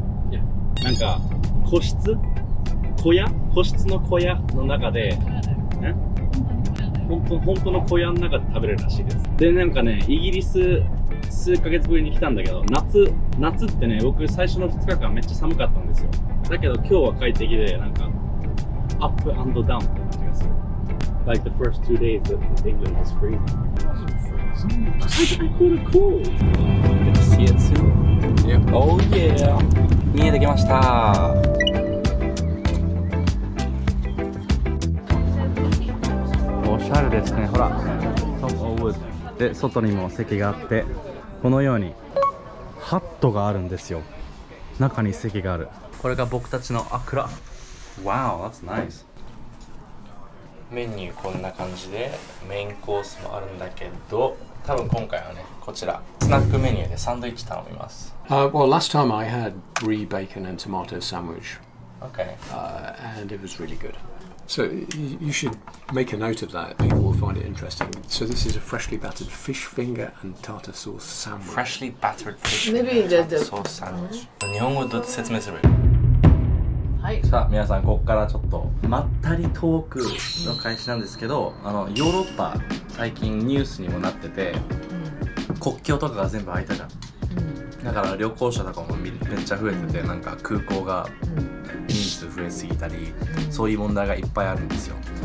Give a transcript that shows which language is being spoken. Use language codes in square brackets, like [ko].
[ja] Yeah. なんか個室小屋個室の小屋の中で、ね、本当の小屋の中で食べれるらしいです。でなんかね、イギリス数ヶ月ぶりに来たんだけど、夏ってね、僕最初の2日間めっちゃ寒かったんですよ。だけど今日は快適で、なんかアップ&ダウンって感じがする。 [en] Like the first 2 days of England was freezing. I caught a cold. I'm gonna see it soon. Yep. [ja] Oh yeah. 見えてきました。おしゃれですね。ほら、Top of Wood。で、外にも席があって、このようにハットがあるんですよ。中に席がある。これが僕たちのアクラ。 [en] Wow, that's nice. [ja] メニューこんな感じで、メインコースもあるんだけど、多分今回はね、こちらスナックメニューでサンドイッチ頼みます。 [en] Well, last time I had brie bacon and tomato sandwich. Okay. And it was really good. So you should make a note of that. People will find it interesting. So this is a freshly battered fish finger and tartar sauce sandwich. Freshly battered fish finger and tartar sauce sandwich. [ja] 日本語どうやって説明する？はい、さあ皆さん、ここからちょっとまったりトークの開始なんですけど、あのヨーロッパ最近ニュースにもなってて、国境とかが全部開いたじゃん。だから旅行者とかもめっちゃ増えてて、なんか空港が人数増えすぎたり、そういう問題がいっぱいあるんですよ。